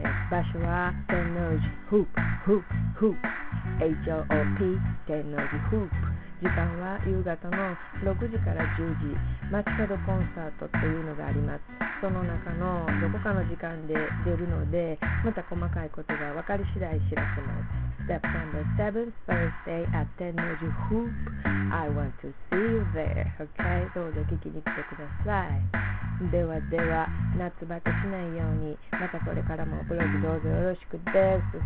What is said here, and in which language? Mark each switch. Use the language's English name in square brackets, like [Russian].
[Japanese] 場所は天王寺 Hoop H-O-O-P 天王寺 Hoop。時間は夕方の6時から10時街角コンサートというのがあります。その中のどこかの時間で出るのでまた細かいことが分かり次第知らせます。 [English] September 7th Thursday at 天王寺 Hoop I want to see you there OK [Japanese] どうぞ聞きに来てください。ではでは夏バテしないようにまたこれからもブログどうぞよろしくです。